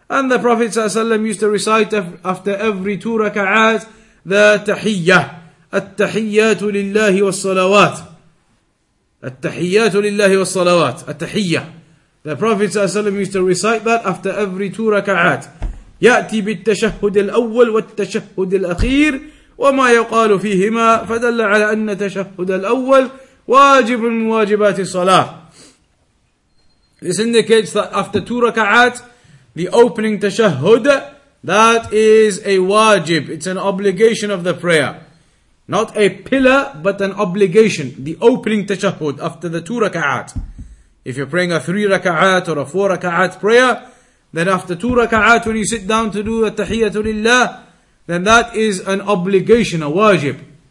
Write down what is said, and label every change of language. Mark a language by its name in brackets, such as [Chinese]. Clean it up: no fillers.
[English] And the Prophet ﷺ used to recite after every two raka'at the tahiyyah. [Arabic] التحيات لله والصلوات. التحيات لله والصلوات. التحية. [English] The Prophet ﷺ used to recite that after every two raka'at. [Arabic] يأتي بالتشهد الأول والتشهد الأخير وما يقال فيهما فدل على أن تشهد الأول واجب من واجبات الصلاة. [English] This indicates that after two raka'at, the opening تشهد, that is a wajib, it's an obligation of the prayer. Not a pillar, but an obligation. The opening tashahud after the two raka'at. If you're praying a three raka'at or a four raka'at prayer, then after two raka'at when you sit down to do a tahiyyatu lillah, then that is an obligation, a wajib.